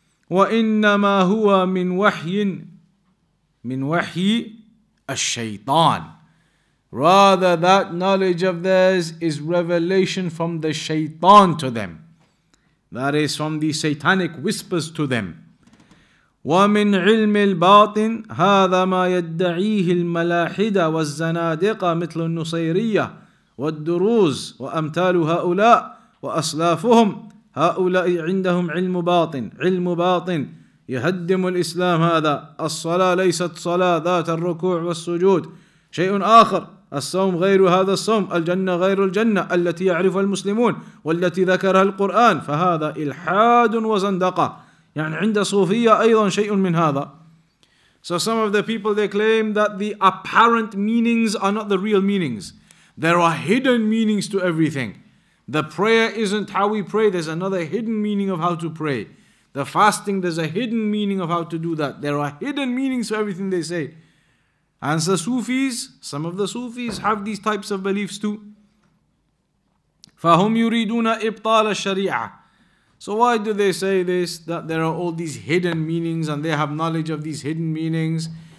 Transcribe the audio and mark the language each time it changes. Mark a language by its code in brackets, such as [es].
[ar] وَإِنَّمَا هُوَ مِنْ وَحْيٍ مِنْ وَحْيِ الشَّيْطَانِ [en] Rather, that knowledge of theirs is revelation from the shaitan to them. That is, from the satanic whispers to them. [ar] وَمِنْ عِلْمِ الْبَاطِنِ هَذَا مَا يَدَّعِيهِ الْمَلَاحِدَ وَالزَّنَادِقَ مِثْلُ النُّصَيْرِيَّةِ وَالدُّرُوزِ وَأَمْتَالُ هَؤُلَاءِ وَأَصْلَافُهُمْ هَؤُلَاءِ عِنْدَهُمْ عِلْمُ بَاطِنِ عِلْمُ بَاطِنِ يَهَدِّمُ الْإِسْلَامَ هَذَا الصَّلَاةُ لَيْسَتْ صَلَاةً ذَاتَ الرُّكُوعِ وَالسُّجُودِ شيء آخر الصوم غير هذا الصوم الجنة غير الجنة التي يعرفها المسلمون والتي ذكرها القرآن فهذا إلحاد وزندقة يعني عند صوفية أيضا شيء من هذا [en] So some of the people they claim that the apparent meanings are not the real meanings. There are hidden meanings to everything. The prayer isn't how we pray. There's another hidden meaning of how to pray. The fasting, there's a hidden meaning of how to do that. There are hidden meanings to everything they say. And the Sufis, some of the Sufis have these types of beliefs too. [ar] فَهُمْ يُرِيدُونَ إِبْطَالَ الشَّرِيعَةِ [en] So why do they say this, that there are all these hidden meanings and they have knowledge of these hidden meanings?